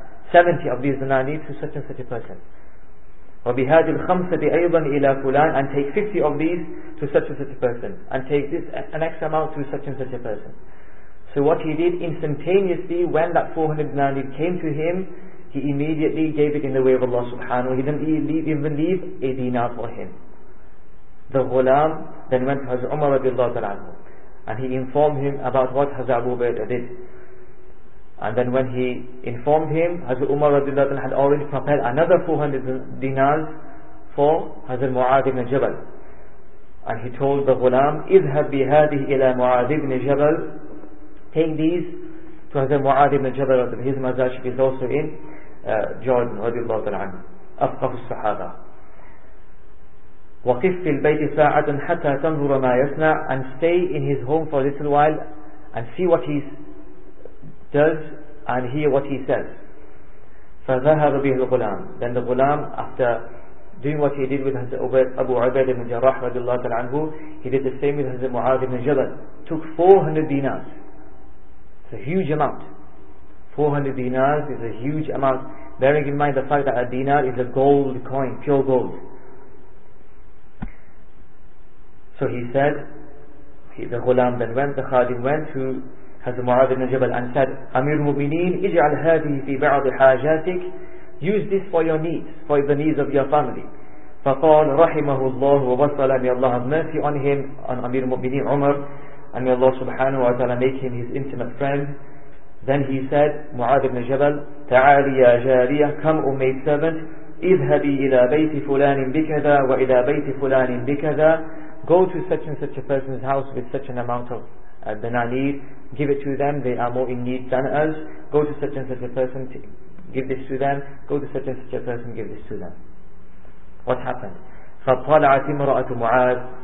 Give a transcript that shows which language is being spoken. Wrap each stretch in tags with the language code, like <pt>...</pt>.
<en>Seventy of these dinanis to such and such a person.</en> <ar>وبهذه الخمسة أيضا إلى فلان.</ar> <en>And take 50 of these to such and such a person. And take this an extra amount to such and such a person. So what he did instantaneously when that 400 dinanis came to him, he immediately gave it in the way of Allah subhanahu wa ta'ala. He didn't even leave a dinar for him. The ghulam then went to Hazrat Umar radiallahu ta'ala anhu, and he informed him about what Hazrat Abu Ubaidah did. And then when he informed him, Hazrat Umar radiallahu ta'ala had already prepared another 400 dinars for Hazrat Mu'adh ibn Jabal. And he told the ghulam,</en> <ar>اذهب بهذه إلى</ar> <en>Mu'adh ibn Jabal. Take these to Hazrat Mu'adh ibn Jabal. His mazashik is also in Jordan radiallahu ta'ala anhu.</en> <ar>أفقه الصحابة. وقف في البيت ساعة حتى تنظر ما يصنع.</ar> <en>And stay in his home for a little while and see what he does and hear what he says.</en> <ar>فذهب به الغلام.</ar> <en>Then the غلام, after doing what he did with Hazrat Abu Ubaid ibn Jarrah radiallahu ta'ala anhu, he did the same with Hazrat Mu'adh ibn Jabal. Took 400 dinars. It's a huge amount. 400 dinars is a huge amount. Bearing in mind the fact that a dinar is a gold coin, pure gold. So he said, the ghulam then went, the khadim went to Hazrat Mu'adh ibn Jabal and said, Amir al-Mu'mineen,</en> <ar>ij'al hadhihi fi ba'd hajatik.</ar> <en>Use this for your needs, for the needs of your family.</en> <ar>فقال رحمه الله وبصلا.</ar> <en>May Allah have mercy on him, on Amir al-Mu'mineen Umar, and may Allah subhanahu wa ta'ala make him his intimate friend. Then he said,</en> <ar>Mu'adh ibn Jabal, تعالي يا جارية,</ar> <en>come, O maid servant,</en> <ar>اذهبي إلى بيت فلان بكذا وإلى بيت فلان بكذا.</ar> <en>Go to such and such a person's house with such an amount of dinanir. Give it to them, they are more in need than us. Go to such and such a person, give this to them. Go to such and such a person, give this to them. What happened?</en> <ar>فطلعت امرأة معاذ.</ar>